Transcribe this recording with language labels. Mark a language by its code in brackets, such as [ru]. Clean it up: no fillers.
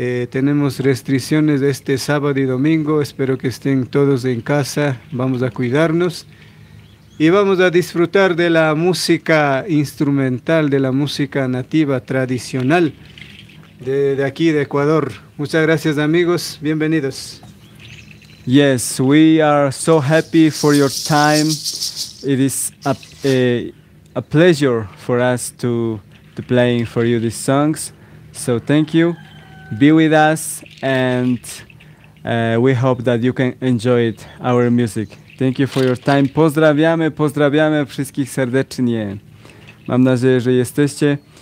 [es] Tenemos restricciones de este sábado y domingo. Espero que estén todos en casa. Vamos a cuidarnos y vamos a disfrutar de la música instrumental, de la música nativa tradicional de aquí de Ecuador. Muchas gracias, amigos. Bienvenidos. [en] Yes, we are so happy for your time. It is a pleasure for us to play for you these songs. So thank you. Be with us, and we hope that you can enjoy it, our music. Thank you for your time. [pl] Pozdrawiamy wszystkich serdecznie. Mam nadzieję, że jesteście.